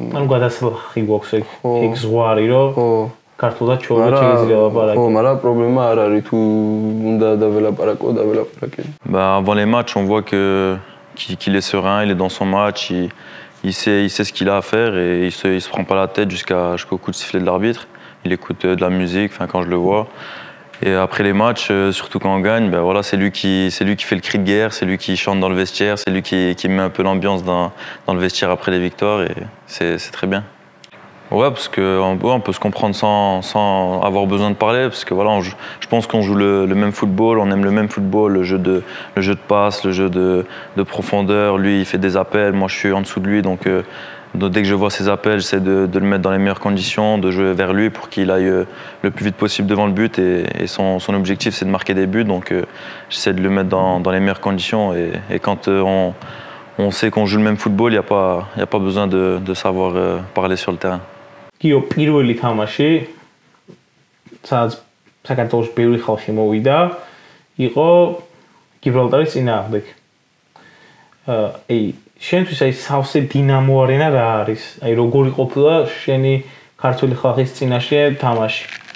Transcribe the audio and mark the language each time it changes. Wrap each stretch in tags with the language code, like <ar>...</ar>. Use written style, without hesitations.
<ka>ანუ გადასახი გვაქვს ეგ ზღვარი რო ქართულად ჩვენ შეიძლება ვლაპარაკო? ხო, მაგრამ პრობლემა არ არის, თუ უნდა დავლაპარაკო დავლაპარაკე.</ka> <fr>Avant les matchs on voit que qu'il est serein, il est dans son match, il sait ce qu'il a à faire et il se prend pas la tête jusqu'au coup de sifflet de l'arbitre. Il écoute de la musique, enfin quand je le vois. Et après les matchs, surtout quand on gagne, ben voilà, c'est lui qui fait le cri de guerre, c'est lui qui chante dans le vestiaire, c'est lui qui met un peu l'ambiance dans le vestiaire après les victoires et c'est très bien. Ouais, parce qu'on ouais, on peut se comprendre sans avoir besoin de parler, parce que voilà, je pense qu'on joue le même football, on aime le même football, le jeu de passe, le jeu de profondeur. Lui, il fait des appels, moi, je suis en dessous de lui, donc dès que je vois ses appels, j'essaie de le mettre dans les meilleures conditions, de jouer vers lui pour qu'il aille le plus vite possible devant le but. Et son objectif, c'est de marquer des buts, donc j'essaie de le mettre dans les meilleures conditions. Et quand on sait qu'on joue le même football, il n'y a pas besoin de savoir parler sur le terrain.</fr> <ka>გიო პირველი თამაში სადაც საქართველოს ბევრი ხალხი მოვიდა იყო გიბრალტარის წინააღმდეგ. აი შენთვის აი სავსე დინამო არენა რა არის? აი როგორი ყოფილა შენი ქართული ხალხის წინაშე თამაში?</ka>